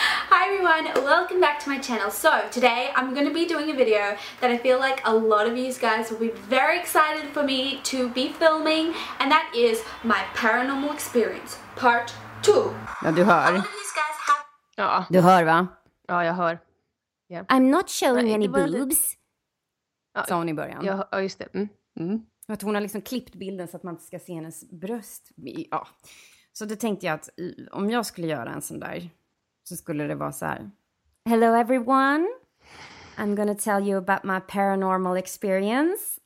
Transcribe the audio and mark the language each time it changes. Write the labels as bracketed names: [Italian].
[English] Hi everyone, welcome back to my channel. So today I'm going to be doing a video that I feel like a lot of you guys will be very excited for me to be filming, and that is my paranormal experience part 2. [Swedish] Ja, du hör. Ja. Du hör, va? Ja, jag hör. [English] Yeah. I'm not showing any boobs. [Swedish] Sa hon i början. Ja, just det. Mm. Att hon har liksom klippt bilden så att man inte ska se hennes bröst. Ja. Så då tänkte jag att om jag skulle göra en sån där, så skulle det vara så här. [English] Hello everyone. I'm gonna tell you about my paranormal experience.